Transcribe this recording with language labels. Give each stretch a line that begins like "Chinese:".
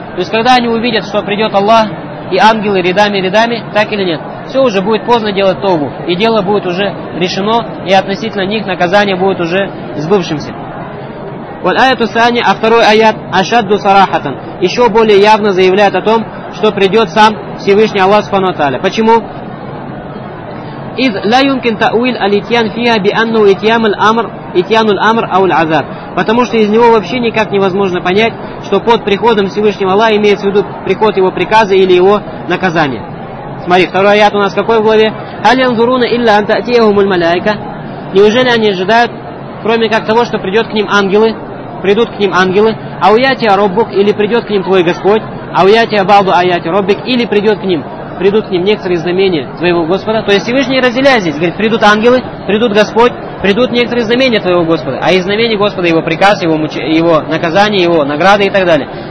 Russian: То есть, когда они увидят, что придет Аллах и ангелы рядами, так или нет, все уже будет поздно делать тобу, и дело будет уже решено, и относительно них наказание будет уже сбывшимся.
Arabic: والآيات الثانية
Russian: второй аят
Arabic: أشد صراحة
Russian: еще более явно заявляет о том, что придет сам Всевышний Аллах Субхану ва Тааля. Почему?
Arabic: إذ لا يمكن تأويل الإتيان فيها بأنه إتيان الأمر إتيان الأمر أو العذاب.
Russian: Потому что из него вообще никак невозможно понять, что под приходом Всевышнего Аллаха имеется в виду приход его приказа или его наказание. Смотри, второй аят у нас какой в главе?
Arabic: هل ينظرون إلا أن تأتيهم الملائكة.
Russian: Неужели они ожидают, кроме как того, что придет к ним ангелы, придут к ним ангелы,
Arabic: ауятия роббук,
Russian: или придет к ним твой Господь,
Arabic: ауятия балду аяти роббик,
Russian: или придет к ним, придут к ним некоторые знамения твоего Господа. То есть Всевышний разделяет здесь, говорит, придут ангелы, придут Господь, придут некоторые знамения твоего Господа, а из знамений Господа его приказ, его наказание, его награды и так далее.